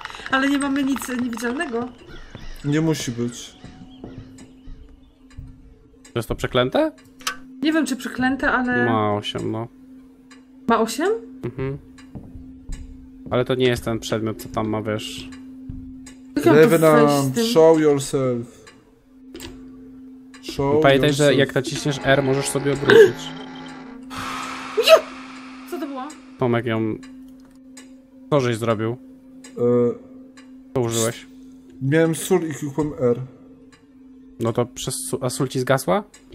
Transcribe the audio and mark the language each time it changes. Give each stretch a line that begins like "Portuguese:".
Polish: Ale nie mamy nic niewidzialnego. Nie musi być. To jest to przeklęte? Nie wiem, czy przeklęte, ale... Ma 8, no. Ma 8? Mhm. Ale to nie jest ten przedmiot, co tam ma, wiesz...
English: Revenant, show yourself. Show
Polish: pamiętaj,
English: yourself.
Polish: Że jak naciśniesz R, możesz sobie obrócić. Co to było? Tomek ją... Co żeś zrobił? Co użyłeś? Miałem sól i kupiłem R. No to przez sól, a sól ci zgasła?